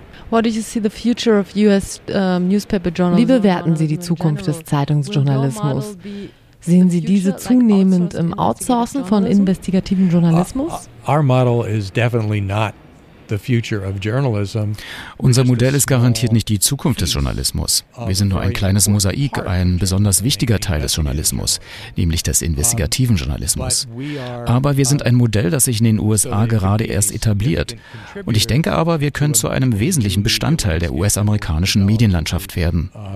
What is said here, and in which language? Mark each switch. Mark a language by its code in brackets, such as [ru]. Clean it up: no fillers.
[en] What do you see the future of US newspaper journalism? [de] Wie bewerten Sie die Zukunft des Zeitungsjournalismus? Sehen Sie diese zunehmend im Outsourcen von investigativen Journalismus? [en] Our model is definitely not the future of journalism. [de] Unser Modell ist garantiert nicht die Zukunft des Journalismus. Wir sind nur ein kleines Mosaik, ein besonders wichtiger Teil des Journalismus, nämlich des investigativen Journalismus. Aber wir sind ein Modell, das sich in den USA gerade erst etabliert. Und ich denke aber, wir können zu einem wesentlichen Bestandteil der US-amerikanischen Medienlandschaft werden.